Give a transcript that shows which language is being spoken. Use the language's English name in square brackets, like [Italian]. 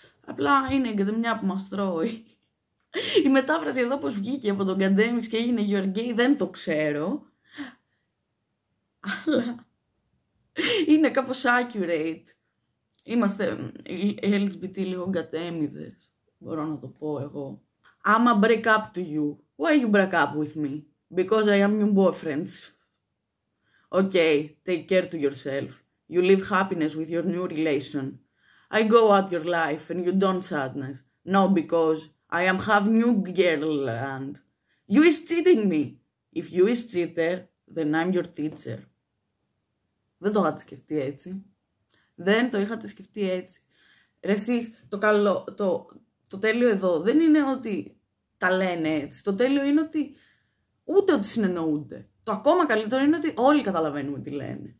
[Greek] Απλά είναι η γκαντεμιά που μας τρώει. Η μετάφραση εδώ πως βγήκε από τον γκαντέμις και έγινε [English] you're gay, [Greek] δεν το ξέρω. Αλλά είναι κάπως accurate. Είμαστε LGBT λίγο γκατέμιδες. Μπορώ να το πω εγώ. [English] I'm a break up to you. Why you break up with me? Because I am your boyfriend. Okay, take care to yourself. You live happiness with your new relation. I go out your life and you don't sadness. No, because I am half new girl and you is cheating me. If you is cheater, then I'm your teacher. [Greek] Δεν το είχατε σκεφτεί έτσι. Δεν το είχατε σκεφτεί έτσι. Ρε εσείς, το καλό, το τέλειο εδώ δεν είναι ότι τα λένε έτσι. Το τέλειο είναι ότι ούτε ότι συνεννοούνται. Το ακόμα καλύτερο είναι ότι όλοι καταλαβαίνουμε τι λένε.